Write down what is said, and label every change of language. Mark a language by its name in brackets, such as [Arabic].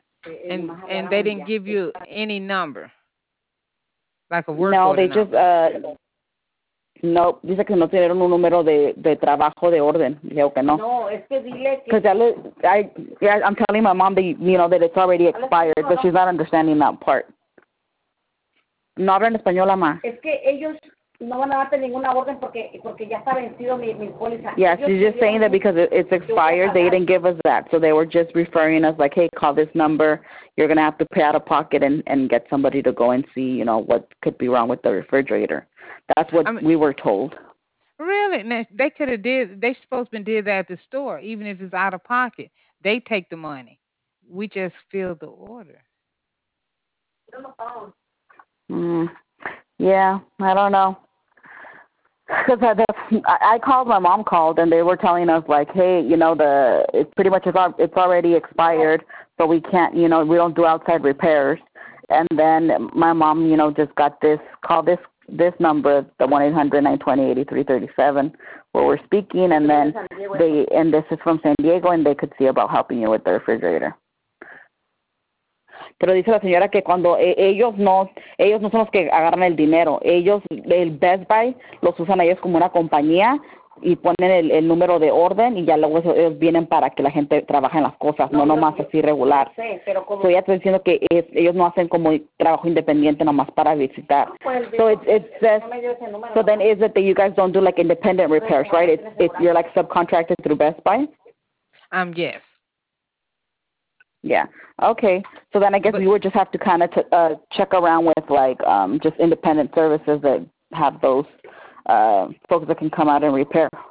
[English] And they didn't give you any number, like a work order. No, they just no. [Spanish] Dice que no tuvieron un número de trabajo de orden. Dijo que no. No, es que dile que. [English] Because I'm telling my mom that, you know, that it's already expired, but she's not understanding that part. [Spanish] No hablan español, ma. Es que ellos no van a darte ninguna orden porque ya está vencido mi póliza. [English] Yes, she's just saying that because it's expired, they didn't give us that. So they were just referring us like, hey, call this number. You're going to have to pay out of pocket and get somebody to go and see, you know, what could be wrong with the refrigerator. That's what we were told. Really? Now, they could have did, they supposed to have did that at the store, even if it's out of pocket. They take the money. We just fill the order. Yeah, I don't know. Cause I called, my mom called, and they were telling us, like, hey, you know, it's already expired, but we can't, you know, we don't do outside repairs. And then my mom, you know, just got this, call this number, the 1-800-920-8337, where we're speaking, and then they, and this is from San Diego, and they could see about helping you with the refrigerator. [Spanish] Pero dice la señora que cuando ellos no son los que agarran el dinero. Ellos, el Best Buy, los usan ellos como una compañía y ponen el número de orden y ya luego ellos vienen para que la gente trabaje en las cosas, no nomás así regular. Sí, pero como... So ya estoy diciendo que ellos no hacen como trabajo independiente nomás para visitar. No, pues, [English] so it says, no, so then is it that you guys don't do like independent repairs, right? It's you're like subcontracted through Best Buy? Yes. Yeah. Okay. So then I guess we would just have to kind of check around with like just independent services that have those folks that can come out and repair.